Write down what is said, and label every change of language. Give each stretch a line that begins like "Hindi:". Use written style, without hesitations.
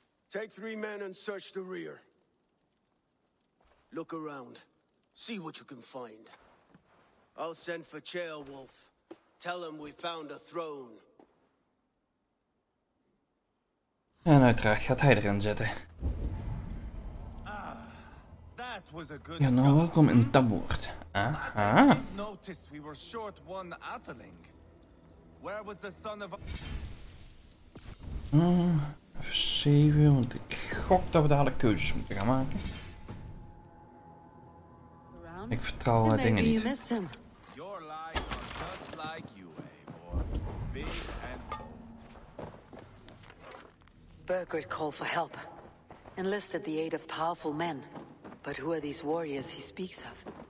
English: Take three men and search the rear. Look around. See what you can find. I'll send for Chaerwulf. Tell him we found a throne.
Dutch: En uiteraard gaat hij erin zitten.
English: Ah, that was a good
Dutch: ja, nou welkom in Taboord. Ah, ah.
English: I didn't notice we were short one Atheling. Where was the son of...
Dutch: Even 7, want ik gok dat we dadelijk keuzes moeten gaan maken. Ik vertrouw haar dingen niet.
English: Your lies are just like you, Eivor. Big and old. Birgrid called for help. Enlisted the aid of powerful men. But who are these warriors he speaks of?